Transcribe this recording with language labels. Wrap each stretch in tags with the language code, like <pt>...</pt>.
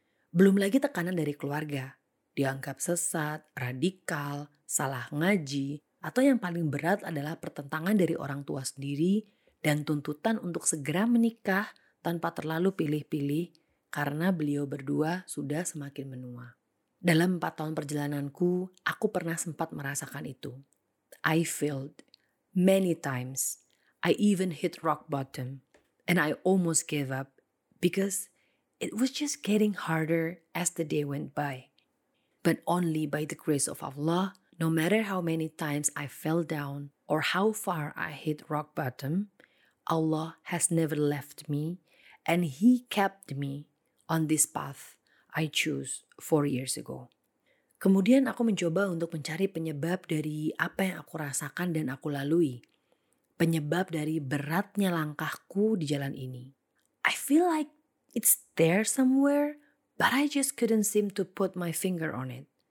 <id>Belum lagi tekanan dari keluarga. Dianggap sesat, radikal, salah ngaji, atau yang paling berat adalah pertentangan dari orang tua sendiri dan tuntutan untuk segera menikah tanpa terlalu pilih-pilih karena beliau berdua sudah semakin menua. Dalam 4 tahun perjalananku, aku pernah sempat merasakan itu.</id> <en>I failed many times. I even hit rock bottom and I almost gave up because it was just getting harder as the day went by. But only by the grace of Allah, no matter how many times I fell down or how far I hit rock bottom, Allah has never left me and He kept me on this path I choose 4 years ago.</en> <id>Kemudian aku mencoba untuk mencari penyebab dari apa yang aku rasakan dan aku lalui. Penyebab dari beratnya langkahku di jalan ini.</id> <en>I feel like it's there somewhere, but I just couldn't seem to put my finger on it.</en>